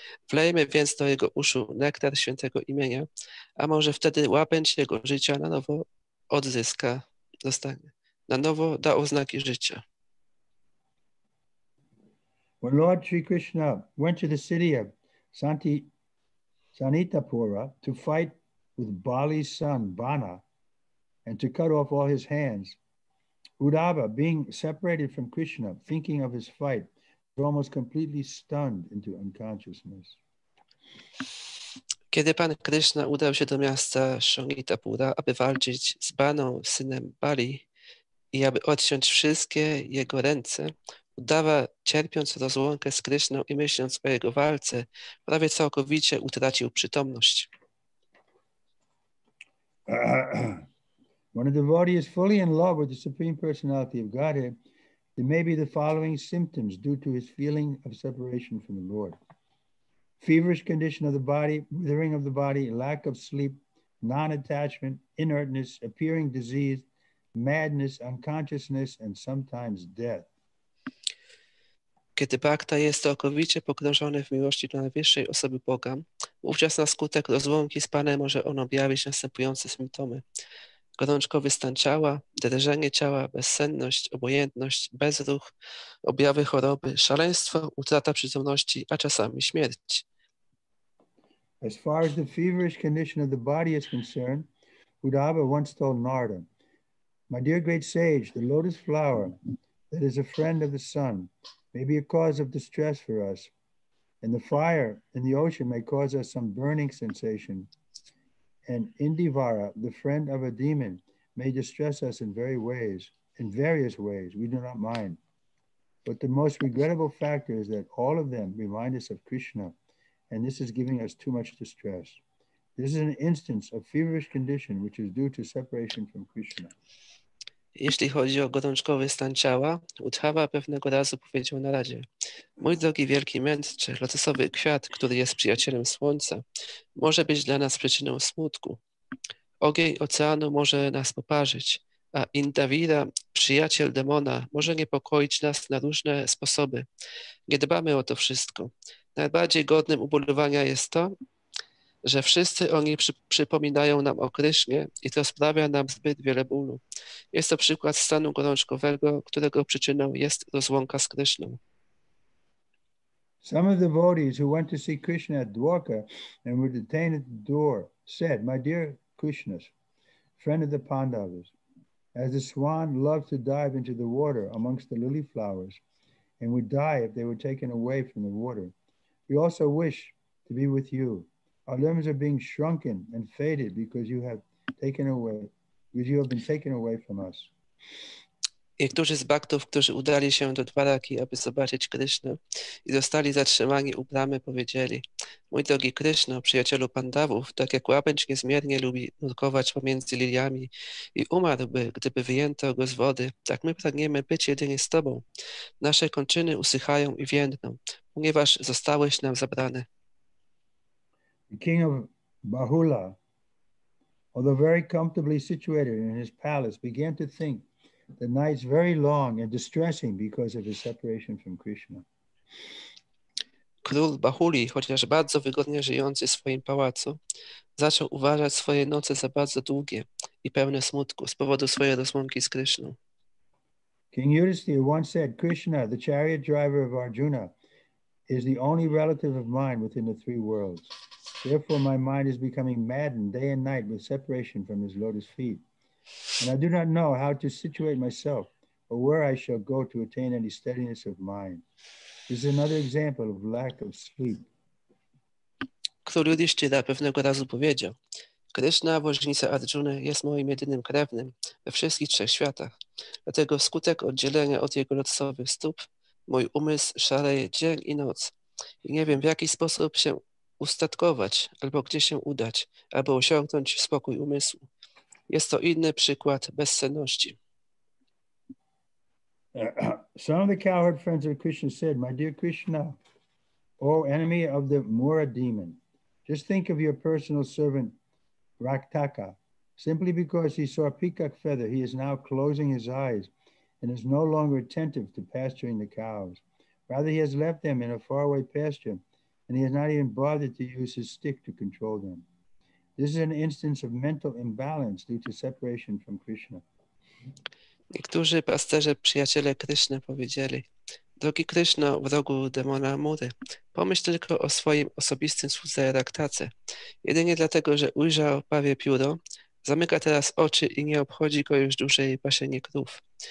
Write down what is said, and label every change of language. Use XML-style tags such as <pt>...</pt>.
<pl>Wlejmy więc do jego uszu nektar świętego imienia, a może wtedy łabędź jego życia na nowo odzyska, zostanie, na nowo da oznaki życia.</pl> <en>When Lord Sri Krishna went to the city of Sanitapura to fight with Bali's son, Bana, and to cut off all his hands, Uddhava, being separated from Krishna, thinking of his fight, was almost completely stunned into unconsciousness.</en> <pl>Kiedy Pan Krishna udał się do miasta Sanitapura, aby walczyć z Baną, synem Bali, i aby odciąć wszystkie jego ręce, Uddhava, cierpiąc rozłąkę z Krishną i myśląc o jego walce, prawie całkowicie utracił przytomność.</pl> <en>When a devotee is fully in love with the Supreme Personality of Godhead, there may be the following symptoms due to his feeling of separation from the Lord. Feverish condition of the body, withering of the body, lack of sleep, non-attachment, inertness, appearing disease, madness, unconsciousness, and sometimes death.</en> <pl>Kiedy bhakta jest całkowicie pogrążony w miłości do najwyższej osoby Boga, wówczas na skutek rozłąki z Panem może on objawić następujące symptomy. Gorączkowy stan ciała, drżenie ciała, bezsenność, obojętność, bezruch, objawy choroby, szaleństwo, utrata przytomności, a czasami śmierć.</pl> <en>As far as the feverish condition of the body is concerned, Uddhava once told Narada, my dear great sage, the lotus flower that is a friend of the sun, may be a cause of distress for us, and the fire in the ocean may cause us some burning sensation, and Indivara, the friend of a demon, may distress us in various ways, we do not mind. But the most regrettable factor is that all of them remind us of Krishna, and this is giving us too much distress. This is an instance of feverish condition which is due to separation from Krishna.</en> <pl>Jeśli chodzi o gorączkowy stan ciała, Uddhava pewnego razu powiedział na radzie: mój drogi wielki mędrcze, lotosowy kwiat, który jest przyjacielem słońca, może być dla nas przyczyną smutku. Ogień oceanu może nas poparzyć, a Indavira, przyjaciel demona, może niepokoić nas na różne sposoby. Nie dbamy o to wszystko. Najbardziej godnym ubolewania jest to, że wszyscy oni przypominają nam o Krysznie i to sprawia nam zbyt wiele bólu. Jest to przykład stanu gorączkowego, którego przyczyną jest rozłąka z Kryszną.</pl> <en>Some of the devotees who went to see Krishna at Dwarka and were detained at the door said, my dear Krishna, friend of the Pandavas, as the swan loves to dive into the water amongst the lily flowers and would die if they were taken away from the water, We also wish to be with you. Our limbs are being shrunken and faded because you have taken away, because you have been taken away from us.</en> <pl>Niektórzy z Baktów, którzy udali się do Dwaraki, aby zobaczyć Krysznę i zostali zatrzymani u bramy, powiedzieli: Mój drogi Kryszno, przyjacielu Pandawów, tak jak łabędź niezmiernie lubi nurkować pomiędzy liliami i umarłby, gdyby wyjęto go z wody, tak my pragniemy być jedynie z Tobą. Nasze kończyny usychają i więdną, ponieważ zostałeś nam zabrany.</pl> <en>The king of Bahula, although very comfortably situated in his palace, began to think the nights very long and distressing because of his separation from Krishna.</en> <pl>Król Bahuli, chociaż bardzo wygodnie żyjący w swoim pałacu, zaczął uważać swoje noce za bardzo długie i pełne smutku z powodu swojej rozłąki z Krishną.</pl> <en>King Yudhisthira once said, Krishna, the chariot driver of Arjuna, is the only relative of mine within the three worlds. Therefore, my mind is becoming maddened day and night with separation from his lotus feet. And I do not know how to situate myself or where I shall go to attain any steadiness of mind. This is another example of lack of sleep.</en> <pl>Król Yudhisthira pewnego razu powiedział, Krishna, woźnica Arjuna, jest moim jedynym krewnym we wszystkich trzech światach. Dlatego wskutek oddzielenia od jego lotosowych stóp, mój umysł szaleje dzień i noc. I nie wiem, w jaki sposób się ustatkować, albo gdzie się udać, albo osiągnąć spokój umysłu. Jest to inny przykład bezsenności.</pl> <en>Some of the cowherd friends of Krishna said, My dear Krishna, O enemy of the Mura demon, just think of your personal servant, Raktaka. Simply because he saw a peacock feather, he is now closing his eyes and is no longer attentive to pasturing the cows. Rather, he has left them in a faraway pasture and he has not even bothered to use his stick to control them. This is an instance of mental imbalance due to separation from Krishna.</en> <pl>Niektórzy pasterze, przyjaciele Krishna powiedzieli, drogi Krishna, wrogu demona Mury, pomyśl tylko o swoim osobistym słudze Raktace. Jedynie dlatego, że ujrzał pawie pióro, zamyka teraz oczy i nie obchodzi go już dłużej paszenie krów.</pl>